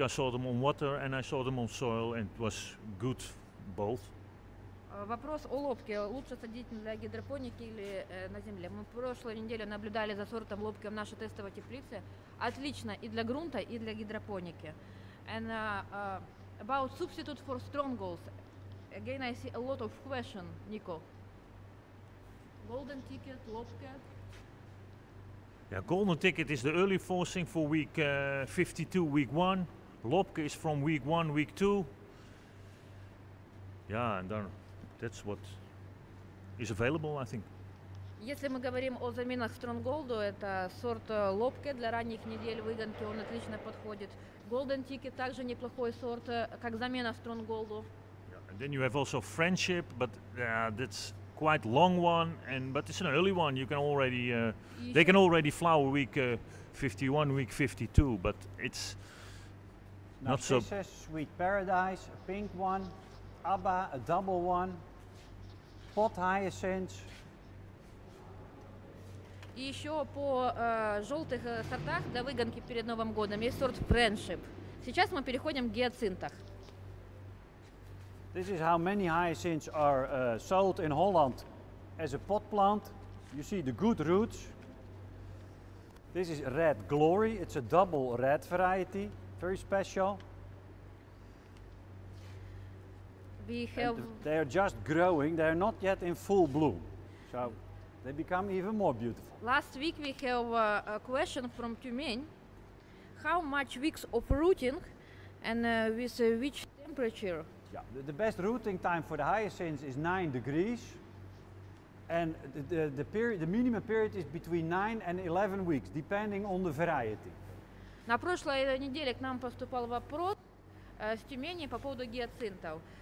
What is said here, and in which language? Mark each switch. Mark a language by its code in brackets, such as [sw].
[en] I saw them on water and I saw them on soil, and it was good both. [ru] Вопрос о лобке. Лучше садить для гидропоники или на земле? Мы прошлой неделе наблюдали за сортом лобки в нашей тестовой теплице. Отлично и для грунта, и для гидропоники. [en] And about substitute for strongholds. Again, I see a lot of question, Nico. [ru] Golden ticket, лобка. [en] Yeah, golden ticket is the early forcing for week 52, week 1. Lobke is from week 1, week 2. Yeah, and then that's what is available, I think. [ru] Если мы говорим о заменах Stronghold, это сорт лобке для ранних недель выгонки, он отлично подходит. Golden ticket также неплохой сорт, как замена Stronghold. [en] Yeah, and then you have also Friendship, but that's quite long one, and but it's an early one. You can already they can already flower week 51, week 52, but it's not so. Narcissus, Sweet Paradise, a pink one, Abba, a double one, Pot Hyacinth. [ru] И еще по желтых сортах для выгонки перед Новым годом есть сорт Friendship. Сейчас мы переходим к гиацинтах. [en] This is how many hyacinths are sold in Holland as a pot plant. You see the good roots. This is Red Glory. It's a double red variety. Very special. We have they are just growing. They are not yet in full bloom. So they become even more beautiful. Last week we have a question from Tumen. How much weeks of rooting and with which temperature? Yeah, the best rooting time for the hyacinths is 9 degrees, and the period, the minimum period is between 9 and 11 weeks, depending on the variety. [ru] На прошлой неделе к нам поступал вопрос с Тюмени по поводу гиацинтов.